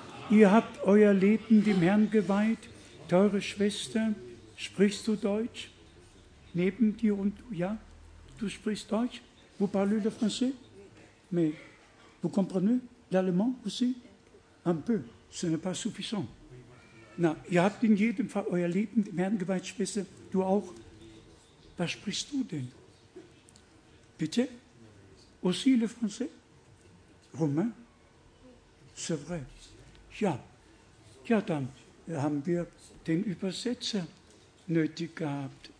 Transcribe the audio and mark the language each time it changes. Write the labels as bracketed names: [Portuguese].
[German] Ihr habt euer Leben dem Herrn geweiht. Teure Schwester, sprichst du Deutsch? Neben dir und du, ja? Du sprichst Deutsch? [French] Vous parlez le français? Mais vous comprenez l'allemand aussi? Un peu, ce n'est pas suffisant. [German] Na, ihr habt in jedem Fall euer Leben dem Herrn geweiht, Schwester, du auch. Was sprichst du denn? Bitte? [French] Aussi le français? [German] Romain? [French] C'est vrai. [German] Ja, dann haben wir den Übersetzer nötig gehabt.